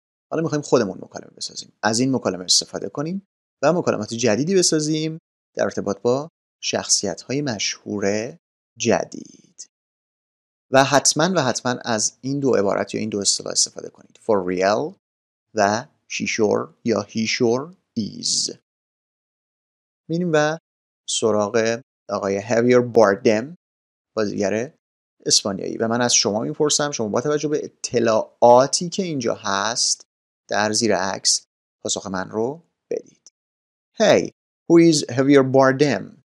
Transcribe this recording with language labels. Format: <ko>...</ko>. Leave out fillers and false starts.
<fa>حالا می‌خوایم خودمون مکالمه بسازیم. از این مکالمه استفاده کنیم و مکالمات جدیدی بسازیم در ارتباط با شخصیت‌های مشهور جدید. و حتماً و حتماً از این دو عبارت یا این دو اصطلاح استفاده کنید.</fa> <en>For real و she sure یا he sure is.</en> <fa>می‌ریم و سراغ آقای هاویر باردم، بازیگر اسپانیایی، و من از شما میپرسم، شما با توجه به اطلاعاتی که اینجا هست در زیر عکس پاسخ من رو بدید.</fa> <en>Hey, who is Javier Bardem?</en>